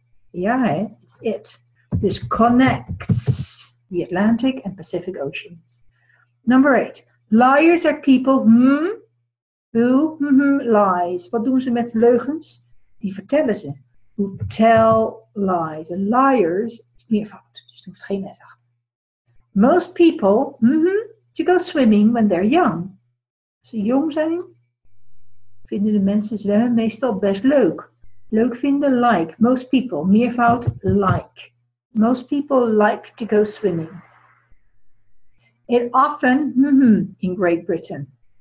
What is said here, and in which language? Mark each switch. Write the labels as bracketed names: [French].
[Dutch] Ja, hè? [English] It. [Dutch] Dus [English] connects the Atlantic and Pacific Oceans. Number 8. Liars are people who lies. [Dutch] Wat doen ze met leugens? Die vertellen ze. [English] Who tell lies. And liars is meervoud. [Dutch] Dus er hoeft geen S achter. [English] Most people to go swimming when they're young. [Dutch] Als ze jong zijn, vinden de mensen zwemmen meestal best leuk. Leuk vinden, [English] like. Most people, meervoud, like. Most people like to go swimming. It often, in Great Britain.